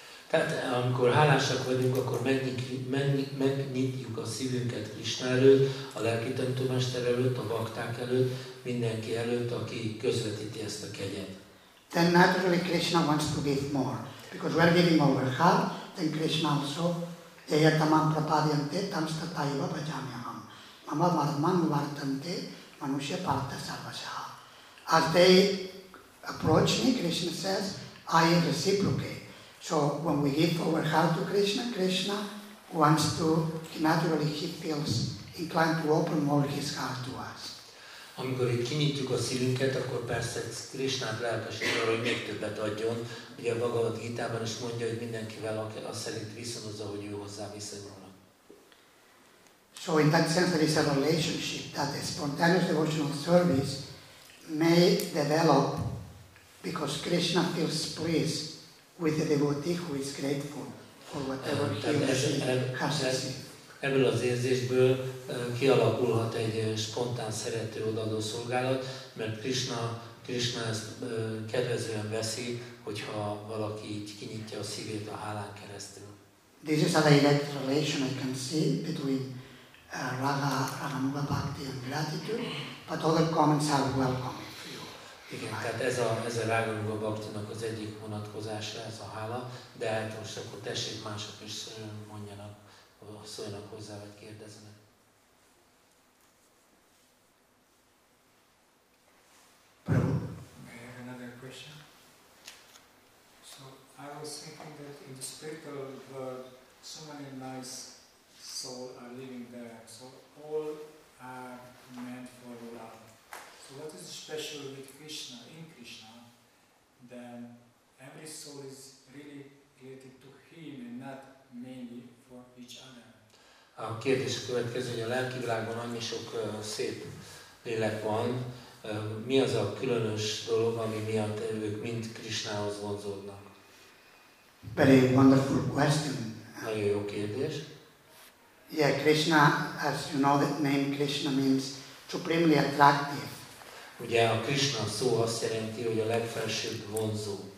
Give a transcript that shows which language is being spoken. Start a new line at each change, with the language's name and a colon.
Hungarian: Tehát amikor hálásak vagyunk, akkor megnyitjuk a szívünket Krishna előtt, a lelki tanítómester előtt, a bakták előtt, mindenki előtt, aki közvetíti ezt a kegyet.
English: Then naturally Krishna wants to give more, because we are giving our heart, then Krishna also.
Sanskrit: Eyatamam prapadyante tamstataiva bhajamyaham. Mama varman vartante manushya partha sarvasah.
English: As they approach me, Krishna says, I reciprocate. So when we give our heart to Krishna, Krishna wants to, naturally he feels inclined to open more his heart to us.
Hungarian: Amikor itt kinyitjuk a szívünket, akkor persze Krishnát lelkesít arra, hogy még többet adjon. Ugye a Bhagavad Gita-ban is mondja, hogy mindenkivel az szerint viszonozza, hogy ő hozzá viszonyulnak.
English: So in that sense there is a relationship that a spontaneous devotional service may develop because Krishna feels pleased with the devotee who is grateful for whatever he has received.
Hungarian: Ebből az érzésből kialakulhat egy spontán szerető odaadó szolgálat, mert Krishna ezt kedvezően veszi, hogyha valaki így kinyitja a szívét a hálán keresztül.
English: This is a direct relation I can see between Raghunatha Bhakti and gratitude, but other comments are welcome.
Hungarian: Igen, tehát ez a Raghunatha Bhaktinak az egyik vonatkozása, ez a hála, de hát most akkor tessék mások is mondjanak, szóljanak hozzá, vagy kérdezzenek.
English: Another question. So I was thinking that in the spiritual world, so many nice souls are living there, so all are meant for love. So what is special with Krishna, in Krishna, then every soul is really related to him and not mainly for each other?
Hungarian: A kérdés következő, hogy a lelki világban annyi sok szép lélek van, mi az a különös dolog, ami miatt ők mind Krishnához vonzódnak?
English: Very wonderful question.
Hungarian: Nagyon jó kérdés.
English: Yeah, Krishna, as you know, the name Krishna means supremely attractive.
Hungarian: Ugye a Krishna szó azt jelenti, hogy a legfelsőbb vonzó.